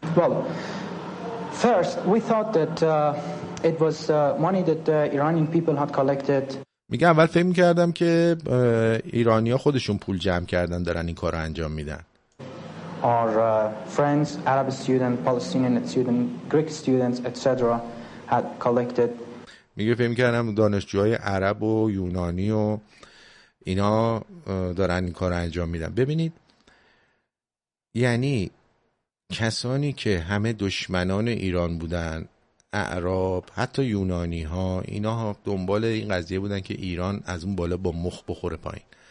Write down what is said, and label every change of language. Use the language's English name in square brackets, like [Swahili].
[English] Well, first we thought that it was money that the Iranian people had collected. [Persian] میگه اول فهم کردم که ایرانی ها خودشون پول جمع کردن دارن این کار رو انجام میدن. [English] Our friends, Arab students, Palestinian students, Greek students, etc. had collected. [Persian] میگه فهم کردم دانشجوهای عرب و یونانی و اینا دارن این کار رو انجام میدن. ببینید یعنی کسانی که همه دشمنان ایران بودن، اعراب، حتی یونانی ها، اینا دنبال این قضیه بودن که ایران از اون بالا با مخ بخوره پایین.